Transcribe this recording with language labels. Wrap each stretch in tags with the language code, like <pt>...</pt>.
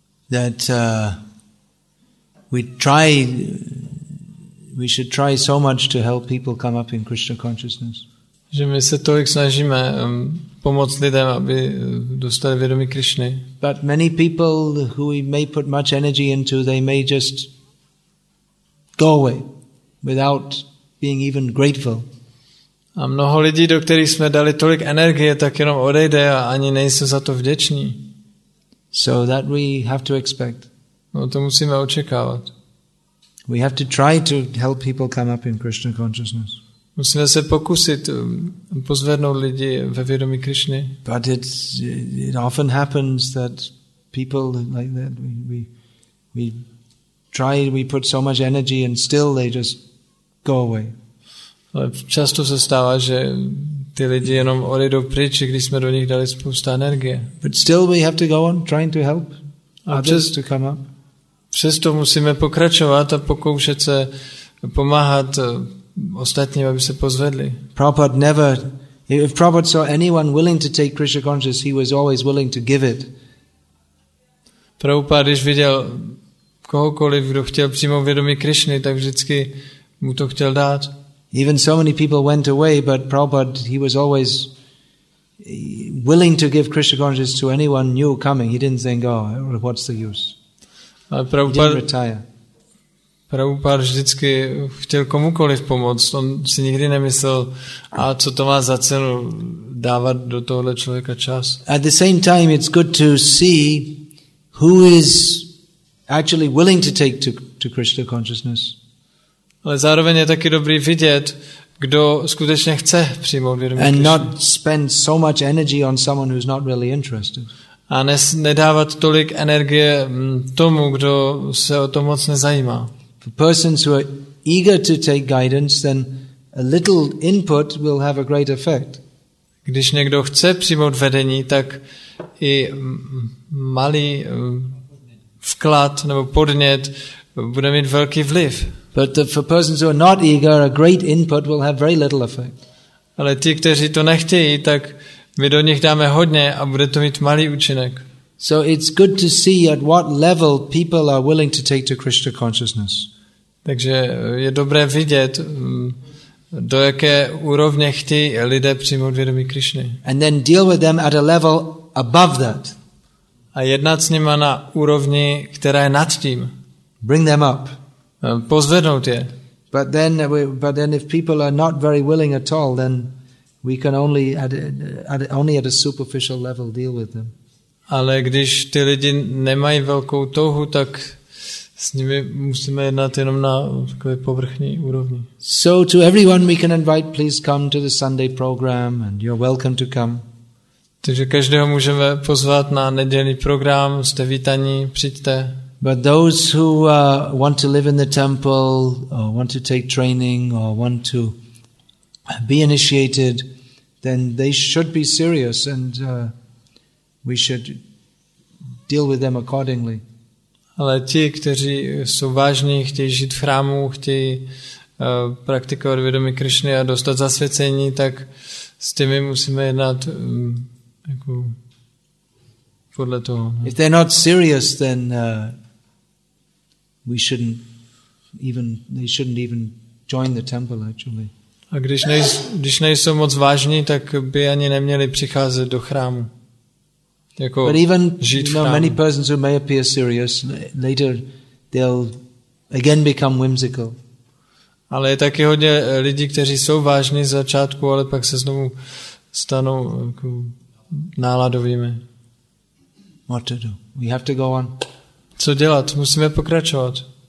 <en>That we should try so much to help people come up in Krishna consciousness.</en> <cs>Že my se tolik snažíme pomoct lidem, aby dostali vědomí Krišny.</cs> <en>But many people who we may put much energy into, they may just go away without being even grateful.</en> <cs>A mnoho lidí, do kterých jsme dali tolik energie, tak jenom odejde a ani nejsou za to vděční.</cs> <en>So that we have to expect.</en> <cs>No, to musíme očekávat.</cs> <en>We have to try to help people come up in Krishna consciousness.</en> <cs>Musíme se pokusit pozvednout lidi ve vědomí Krišny.</cs> <en>But it often happens that people like that we try, we put so much energy and still they just go away.</en> <cs>Ale často se stává, že ty lidi jenom odejdou pryč, když jsme do nich dali spousta energie.</cs> <en>But still we have to go on trying to help others to come up.</en> <cs>Přesto musíme pokračovat a pokoušet se pomáhat ostatním, aby se pozvedli.</cs> <en>Prabhupada never, if Prabhupada saw anyone willing to take Krishna consciousness, he was always willing to give it.</en> <cs>Prabhupada, když viděl kohokoliv, kdo chtěl přímo vědomí Krišny, tak vždycky mu to chtěl dát.</cs> <en>Even so many people went away, but Prabhupada, he was always willing to give Krishna consciousness to anyone new coming. He didn't think, oh, what's the use?</en> <cs>Ale Prabhupada,</cs> <en>he didn't retire.</en> <cs>Prabhupada vždycky chtěl komukoliv pomoct. On si nikdy nemyslel, a co to má za cenu dávat do tohle člověka čas.</cs> <en>At the same time, it's good to see who is actually willing to take to Krishna consciousness.</en> <cs>Ale zároveň je taky dobrý vidět, kdo skutečně chce přijmout vědomí Krishna.</cs> <en>And not spend so much energy on someone who's not really interested.</en> <cs>A nedávat tolik energie tomu, kdo se o to moc nezajímá.</cs> <en>For persons who are eager to take guidance, then a little input will have a great effect.</en> <cs>Když někdo chce přijmout vedení, tak i malý vklad nebo podnět bude mít velký vliv.</cs> <en>But for persons who are not eager, a great input will have very little effect.</en> <cs>Ale ti, kteří to nechtějí, tak my do nich dáme hodně a bude to mít malý účinek.</cs> <en>So it's good to see at what level people are willing to take to Krishna consciousness.</en> <cs>Takže je dobré vidět, do jaké úrovně chtějí lidé přijmout vědomí Krišny.</cs> <en>And then deal with them at a level above that.</en> <cs>A jednat s nima na úrovni, která je nad tím.</cs> <en>Bring them up.</en> <cs>Pozvednout je.</cs> <en>But then if people are not very willing at all, then we can only at a superficial level deal with them.</en> <cs>Ale když ty lidi nemají velkou touhu, tak s nimi musíme jednat jenom na takové povrchní úrovni.</cs> <en>So to everyone we can invite, please come to the Sunday program and you're welcome to come.</en> <cs>Takže každého můžeme pozvat na nedělní program, jste vítaní, přijďte.</cs> <en>But those who want to live in the temple or want to take training or want to be initiated, then they should be serious and we should deal with them accordingly.</en> <cs>Ale ti, kteří jsou vážní, chtějí žít v chrámu, chtějí praktikovat vědomí Krišny a dostat zasvěcení, tak s těmi musíme jednat jako podle toho. Ne?</cs> <en>If they're not serious, then we shouldn't even they shouldn't even join the temple actually.</en> <cs>A když nejsou moc vážní, tak by ani neměli přicházet do chrámu. Jako</cs> <en>but even many persons who may appear serious later they'll again become whimsical.</en> <cs>Ale je taky hodně lidí, kteří jsou vážní z začátku, ale pak se znovu stanou jako náladovými. What to do? We have to go on. Co dělat? Musíme pokračovat.</cs>